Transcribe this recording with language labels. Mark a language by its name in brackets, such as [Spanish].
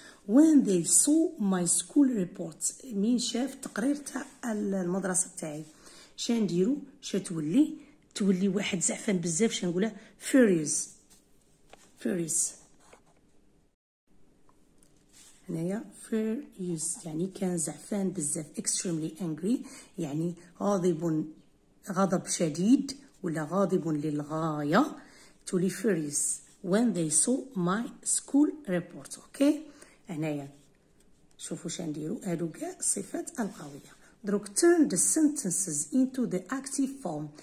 [English] when they saw my school reports [Arabic] مين شاف تقرير تاع المدرسة تاعي شان ديرو؟ شتولي واحد زعفان بزاف شنقوله furious. هنايا furious يعني كان زعفان بزاف [English] extremely angry [Arabic] يعني غاضب غضب شديد ولا غاضب للغاية. [English] تولي furious when they saw my school reports. [Arabic] اوكي هنايا شوفوا شنديرو هادو كاع صفات القوية. [English] دروك turn the sentences into the active form.